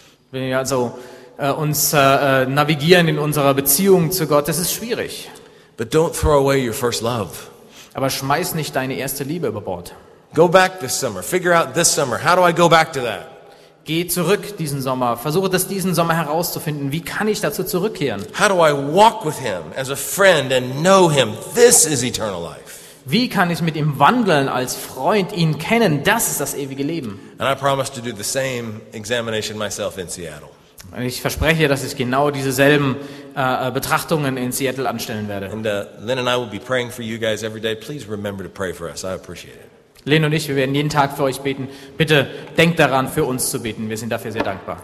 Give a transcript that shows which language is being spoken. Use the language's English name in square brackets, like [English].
[German] Wenn wir also navigieren in unserer Beziehung zu Gott, das ist schwierig. [English] But don't throw away your first love. [German] Aber schmeiß nicht deine erste Liebe über Bord. [English] Go back this summer. Figure out this summer. How do I go back to that? [German] Geh zurück diesen Sommer. Versuche das diesen Sommer herauszufinden. Wie kann ich dazu zurückkehren? [English] How do I walk with him as a friend and know him? This is eternal life. [German] Wie kann ich mit ihm wandeln als Freund, ihn kennen? Das ist das ewige Leben. [English] And I promise to do the same examination myself in Seattle. [German] Und ich verspreche, dass ich genau dieselben Betrachtungen in Seattle anstellen werde. [English] And Lynn and I will be praying for you guys every day. Please remember to pray for us. I appreciate it. [German] Lynn und ich, wir werden jeden Tag für euch beten. Bitte denkt daran, für uns zu beten. Wir sind dafür sehr dankbar.